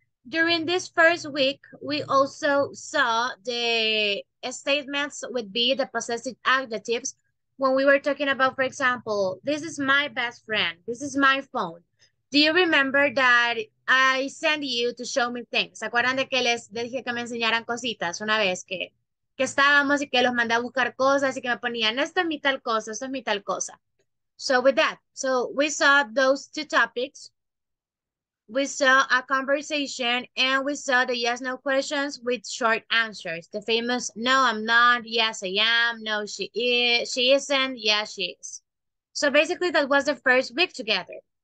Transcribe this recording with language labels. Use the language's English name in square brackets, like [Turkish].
[English] During this first week, we also saw the statements with B, the possessive adjectives, when we were talking about, for example, this is my best friend. This is my phone. Do you remember that I sent you to show me things? [Spanish] ¿Se acuerdan de que les dije que me enseñaran cositas una vez que... que estábamos y que los mandé a buscar cosas y que me ponían, esto es mi tal cosa, esto es mi tal cosa. [English] So with that, so we saw those two topics. We saw a conversation and we saw the yes, no questions with short answers. The famous, no, I'm not, yes, I am, no, she is, she isn't, yes, she is. So basically that was the first week together.